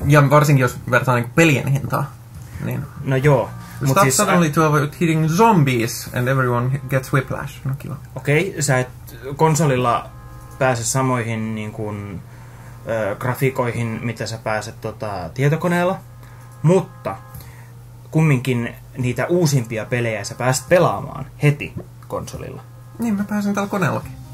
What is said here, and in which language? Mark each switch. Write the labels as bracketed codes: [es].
[fi] Varsinkin jos vertaa niin pelien hintaa. Niin. No joo. [en] Stop siis, suddenly to avoid hitting zombies and everyone gets whiplash. [fi] No kiva. Okei, sä et konsolilla pääse samoihin niin kuin... grafiikoihin, mitä sä pääset tietokoneella, mutta kumminkin niitä uusimpia pelejä sä pääset pelaamaan heti konsolilla. Niin, mä pääsen tällä koneellakin.